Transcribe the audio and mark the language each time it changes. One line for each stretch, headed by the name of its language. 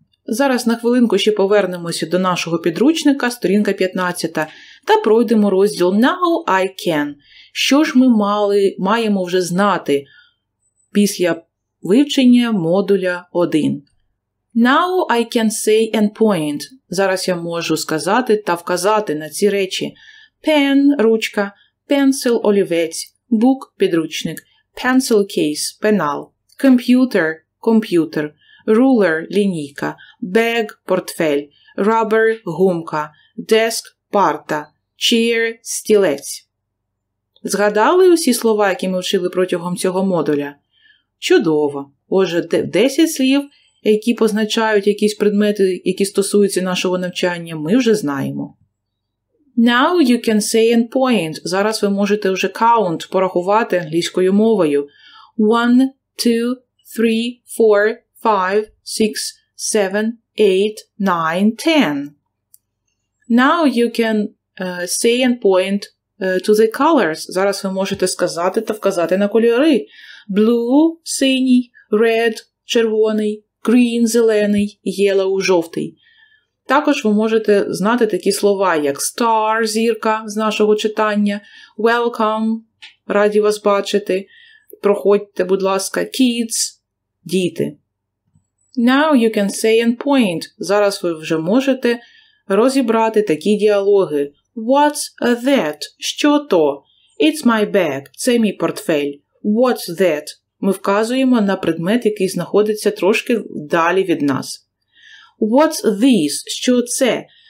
Ukrainian: Зараз на хвилинку ще повернемося до нашого підручника, сторінка 15, та пройдемо розділ Now I Can. Що ж ми маємо вже знати після вивчення модуля 1.
English: Now I can say and point.
Ukrainian: Зараз я можу сказати та вказати на ці речі.
English: Pen – ручка, pencil – олівець, book – підручник, pencil case – пенал, computer – комп'ютер, ruler – лінійка, bag – портфель, rubber – гумка, desk – парта, chair – стілець.
Ukrainian: Згадали усі слова, які ми вчили протягом цього модуля? Чудово! Отже, 10 слів, які позначають якісь предмети, які стосуються нашого навчання, ми вже знаємо.
English: Now you can say and point.
Ukrainian: Зараз ви можете вже count, порахувати англійською мовою.
English: 1, 2, 3, 4, 5, 6, 7, 8, 9, 10. Now you can say and point to the colors.
Ukrainian: Зараз ви можете сказати та вказати на кольори. Blue – синій, red – червоний, green – зелений, yellow – жовтий. Також ви можете знати такі слова, як star – зірка з нашого читання, welcome – раді вас бачити, проходьте, будь ласка, kids – діти.
English: Now you can say and point.
Ukrainian: Зараз ви вже можете розібрати такі діалоги.
English: What's that?
Ukrainian: Що то?
English: It's my bag.
Ukrainian: Це мій портфель.
English: What's that?
Ukrainian: Ми вказуємо на предмет, який знаходиться трошки далі від нас.
English: What's this?
Ukrainian: Що це?